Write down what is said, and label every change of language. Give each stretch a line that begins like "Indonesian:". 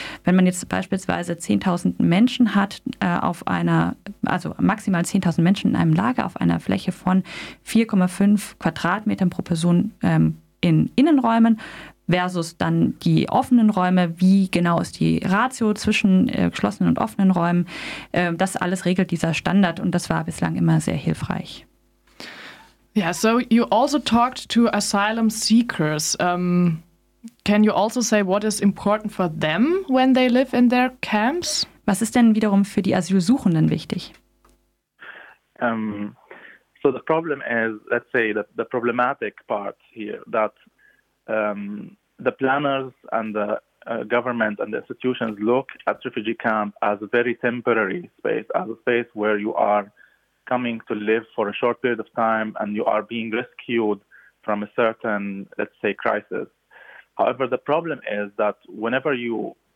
German: Wenn man jetzt beispielsweise 10.000 Menschen hat, also maximal 10.000 Menschen in einem Lager auf einer Fläche von 4,5 Quadratmetern pro Person in Innenräumen versus dann die offenen Räume, wie genau ist die Ratio zwischen geschlossenen und offenen Räumen, das alles regelt dieser Standard und das war bislang immer sehr hilfreich.
English: Yeah, so you also talked to asylum seekers. Can you also say what is important for them when they live in their camps?
German: Was ist denn wiederum für die Asylsuchenden wichtig?
English: So the problem is, let's say, the problematic part here, that the planners and the government and the institutions look at refugee camp as a very temporary space, as a space where you are coming to live for a short period of time and you are being rescued from a certain, let's say, crisis. However, the problem is that whenever you